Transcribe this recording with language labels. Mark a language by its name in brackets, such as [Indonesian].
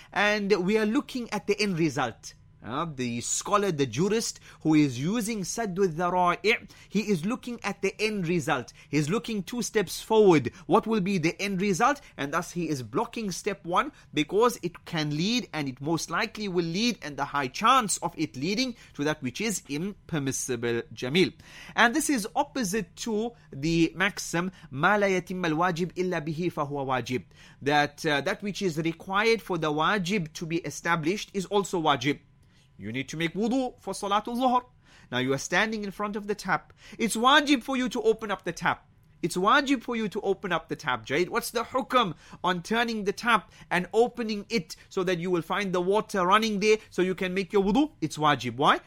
[English] And we are looking at the end result. The scholar, the jurist who is using Saddu al-Dhara'i', he is looking at the end result. He's looking two steps forward. What will be the end result? And thus he is blocking step one because it can lead and it most likely will lead and the high chance of it leading to that which is impermissible, Jamil. And this is opposite to the maxim, [Arabic] مَا لَا يَتِمَّ الْوَاجِبْ إِلَّا بِهِ فَهُوَ وَاجِبْ. [English] That which is required for the wajib to be established is also wajib. You need to make wudu for Salatul Zuhr. Now you are standing in front of the tap. It's wajib for you to open up the tap. It's wajib for you to open up the tap, Jayid. What's the hukum on turning the tap and opening it so that you will find the water running there so you can make your wudu? It's wajib. Why?